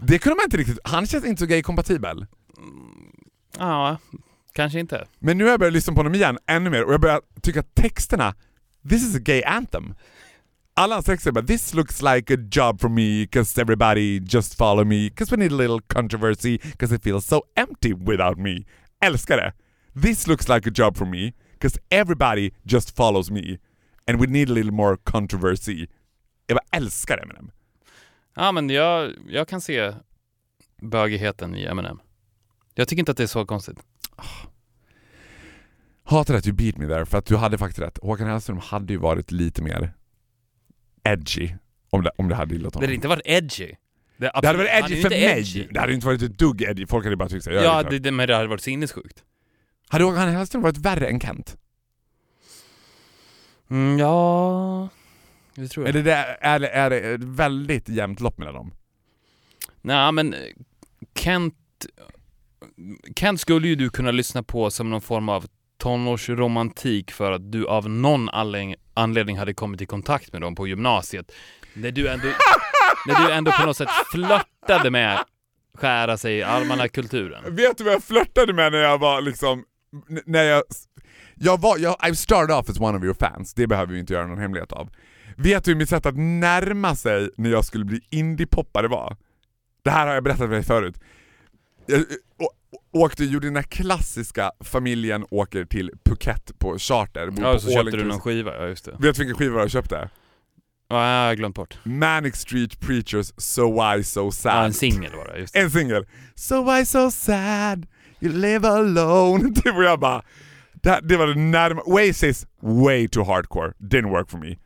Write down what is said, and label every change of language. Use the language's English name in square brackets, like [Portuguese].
[Swedish] Det kunde man inte riktigt. Han känns inte så gay-kompatibel. Ja. Kanske inte. Men nu har jag börjat lyssna på honom igen ännu mer och jag börjar tycka att texterna, [English] this is a gay anthem. [Swedish] Alla hans texter bara, [English] this looks like a job for me because everybody just follow me because we need a little controversy because it feels so empty without me. [Swedish] Älskar det. [English] This looks like a job for me because everybody just follows me and we need a little more controversy. [Swedish] Jag bara älskar Eminem. Ja, men jag kan se bögigheten i Eminem. Jag tycker inte att det är så konstigt. Hatar att du [English] beat me [Swedish] där, för att du hade faktiskt rätt. Håkan Hellström hade ju varit lite mer edgy om det hade gillat honom. Det hade inte varit edgy. Det hade varit edgy för mig. Edgy. Det hade inte varit ett dugg edgy. Folk hade bara tyckt att jag ja, det, men det hade varit sinnessjukt. Hade Håkan Hellström varit värre än Kent? Mm, ja, det tror jag. Är det väldigt jämnt lopp mellan dem? Nej, men Kent skulle ju du kunna lyssna på som någon form av tonårsromantik för att du av någon anledning hade kommit i kontakt med dem på gymnasiet. När du ändå på något sätt flörtade med skära sig i allmänna kulturen. Vet du vad jag flörtade med när jag var liksom... [English] Jag I started off as one of your fans. [Swedish] Det behöver vi inte göra någon hemlighet av. Vet du hur mitt sätt att närma sig när jag skulle bli indie-poppare var? Det här har jag berättat för dig förut. Gjorde den här klassiska familjen åker till Phuket på charter. Ja, på så Åling, köpte du någon skiva, ja just det. Vet du vilken skiva du köpte? Ja, jag har glömt bort. [English] Manic Street Preachers, So Why So Sad. [Swedish] Ja, en singel var det, just det. En singel. [English] So why so sad, you live alone. [Swedish] Det var jag bara, det var det närmaste. [English] Oasis, way too hardcore, didn't work for me.